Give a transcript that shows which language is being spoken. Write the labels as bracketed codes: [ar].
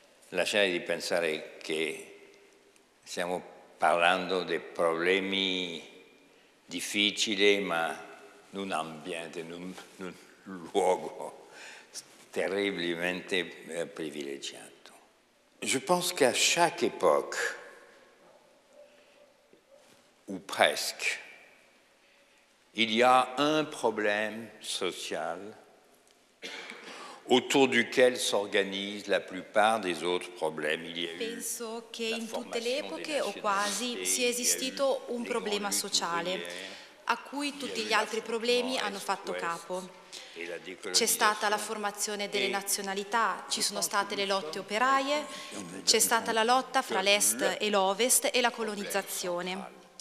[it] lasciare di pensare che stiamo parlando di problemi difficili, ma in un ambiente, in un luogo terribilmente privilegiato. [fr] Je pense qu'à chaque époque, ou presque, il y a un problème social autour duquel s'organise la plupart des autres problèmes. [it] Penso che in tutte le epoche o quasi sia esistito un problema sociale a cui tutti gli altri problemi hanno fatto capo. C'è stata la formazione delle nazionalità, ci sono state le lotte operaie, c'è stata la lotta fra l'Est e l'Ovest e la colonizzazione.